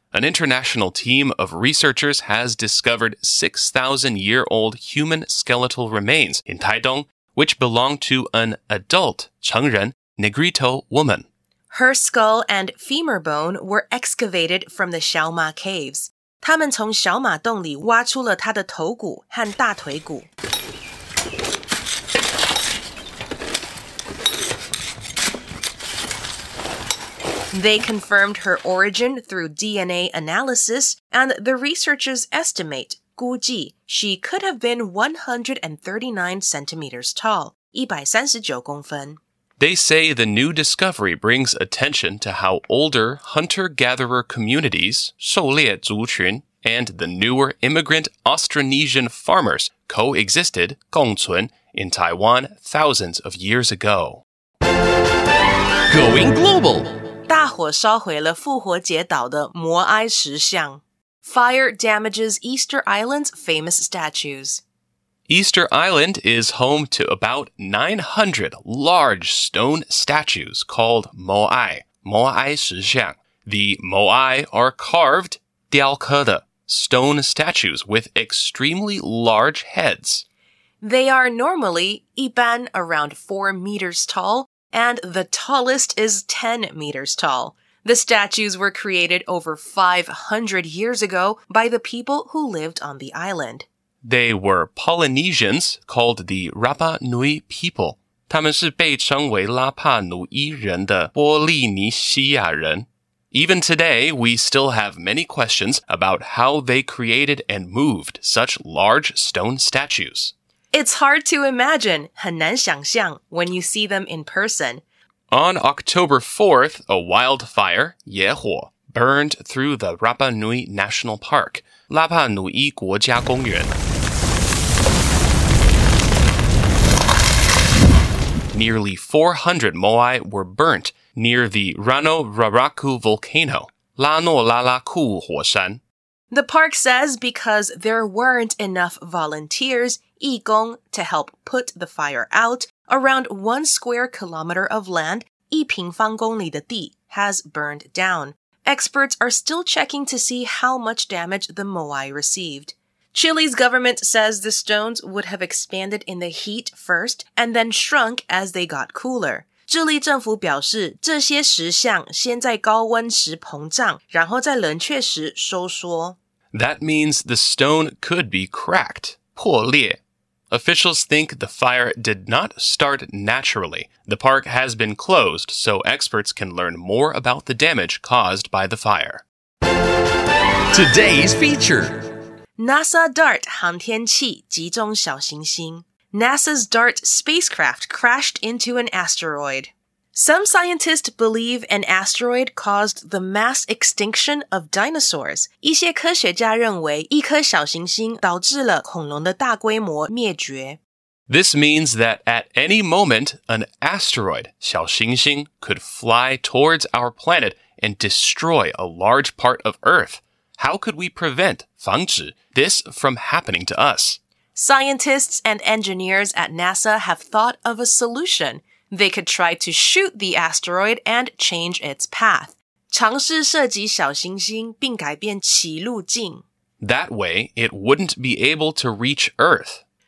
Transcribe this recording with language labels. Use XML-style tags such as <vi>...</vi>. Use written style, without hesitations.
<en>An international team of researchers has discovered 6,000-year-old human skeletal remains in Taidong, which belong to an adult,</en> <zh>成人,</zh> <en>Negrito woman. Her skull and femur bone were excavated from the Xiaoma Caves.</en> <zh>他们从小马洞里挖出了她的头骨和大腿骨。</zh> <en>They confirmed her origin through DNA analysis, and the researchers estimate,</en> <zh>估计,</zh> <en>she could have been 139 centimeters tall,</en> <zh>139公分.</zh> <en>They say the new discovery brings attention to how older hunter-gatherer communities,</en> <zh>狩猎族群,</zh> <en>and the newer immigrant Austronesian farmers coexisted,</en> <zh>共存,</zh> <en>in Taiwan thousands of years ago. Going global!</en> <zh>大火烧毁了复活节岛的摩埃石像。</zh> <en>Fire damages Easter Island's famous statues. Easter Island is home to about 900 large stone statues called moai,</en> <zh>摩埃石像。</zh> <en>The moai are carved,</en> <zh>雕刻的,</zh> <en>stone statues with extremely large heads. They are normally,</en> <zh>一般,</zh> <en>around 4 meters tall,and the tallest is 10 meters tall. The statues were created over 500 years ago by the people who lived on the island. They were Polynesians called the Rapa Nui people.</en> <zh>他们是被称为拉帕努伊人的波利尼西亚人。</zh> <en>Even today, we still have many questions about how they created and moved such large stone statues. It's hard to imagine,</en> <zh>很难想象,</zh> <en>when you see them in person. On October 4th, a wildfire,</en> <zh>野火,</zh> <en>burned through the Rapa Nui National Park,</en> <zh>拉帕努伊国家公园.</zh> <en>Nearly 400 moai were burnt near the Rano Raraku volcano,</en> <zh>拉诺拉拉库火山.</zh> <en>The park says because there weren't enough volunteers,</en> <zh>义工,</zh> <en>to help put the fire out, around 1 square kilometer of land,</en> <zh>一平方公里的地,</zh> <en>has burned down. Experts are still checking to see how much damage the moai received. Chile's government says the stones would have expanded in the heat first and then shrunk as they got cooler.</en> <zh>智利政府表示,这些石像先在高温时膨胀,然后在冷却时收缩。</zh> <en>That means the stone could be cracked.</en> <zh>破裂。</zh> <en>Officials think the fire did not start naturally. The park has been closed so experts can learn more about the damage caused by the fire. Today's feature.</en> <zh>NASA DART 航天器击中小行星。</zh> <en>NASA's DART spacecraft crashed into an asteroid. Some scientists believe an asteroid caused the mass extinction of dinosaurs.</en> <zh>一些科学家认为一颗小行星导致了恐龙的大规模灭绝。</zh> <en>This means that at any moment, an asteroid,</en> <zh>小行星,</zh> <en>could fly towards our planet and destroy a large part of Earth. How could we prevent,</en> <zh>防止,</zh> <en>this from happening to us? Scientists and engineers at NASA have thought of a solution. They could try to shoot the asteroid and change its path.</en> <zh>尝试射击小行星并改变其路径。</zh> <en>That way, it wouldn't be able to reach Earth.</en>